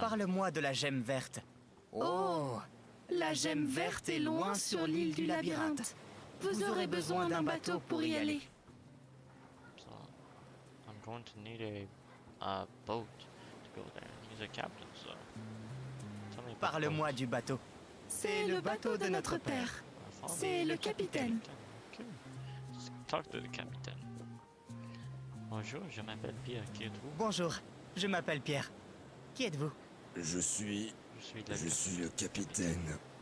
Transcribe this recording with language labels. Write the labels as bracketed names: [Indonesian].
[French] Parle-moi de la gemme verte. Oh, la gemme verte est loin sur l'île du labyrinthe. Vous aurez besoin d'un bateau pour y aller. [English] So, I'm going to need a boat to go there. He's a captain, so... [French] Parle-moi du bateau. C'est le bateau de notre père. C'est le capitaine. [English] Okay. Talk to the capitaine. [French] Bonjour, je m'appelle Pierre. Qui êtes-vous? Bonjour, je m'appelle Pierre. Qui êtes-vous? Je suis le capitaine.